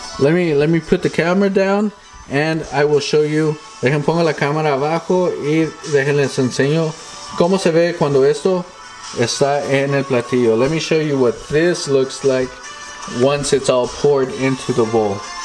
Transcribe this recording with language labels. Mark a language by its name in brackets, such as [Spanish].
[English] Let me put the camera down and I will show you. [Spanish] Dejen pongo la cámara abajo y déjenles enseño cómo se ve cuando esto está en el platillo. [English] Let me show you what this looks like once it's all poured into the bowl.